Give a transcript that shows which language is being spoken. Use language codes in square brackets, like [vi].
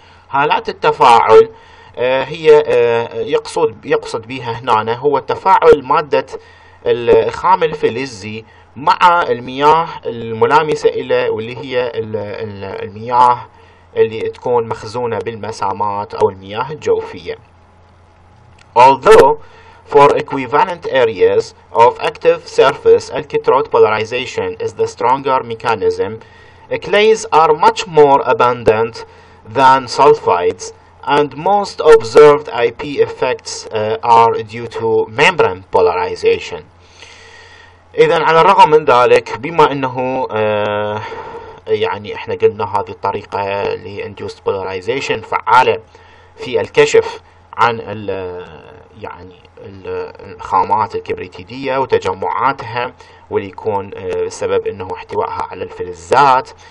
[ar] هالات التفاعل هي يقصد بها هنا هو تفاعل مادة الخام الفلزي مع المياه الملامسة إلى واللي هي المياه اللي تكون مخزونة بالمسامات أو المياه الجوفية. [en] Although for equivalent areas of active surface, electrode polarization is the stronger mechanism, clays are much more abundant than sulfides, and most observed IP effects are due to membrane polarization. [ar] إذا على الرغم من ذلك، بما أنه يعني إحنا قلنا هذه الطريقة لinduced polarization فعالة في الكشف عن ال يعني الخامات الكبريتيدية وتجمعاتها، واللي يكون السبب أنه احتوائها على الفلزات.